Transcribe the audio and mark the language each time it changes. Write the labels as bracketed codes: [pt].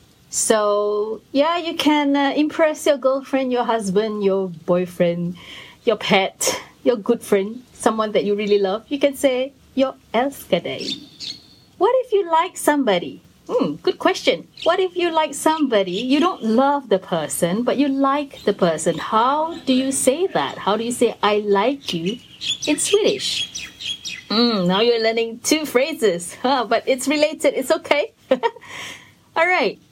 [en] So, yeah, you can impress your girlfriend, your husband, your boyfriend, your pet, your good friend, someone that you really love. You can say, [sv] jag älskar dig. [en] What if you like somebody? Good question. What if you like somebody? You don't love the person, but you like the person. How do you say that? How do you say I like you in Swedish? Now you're learning two phrases, huh? But it's related. It's okay. All right.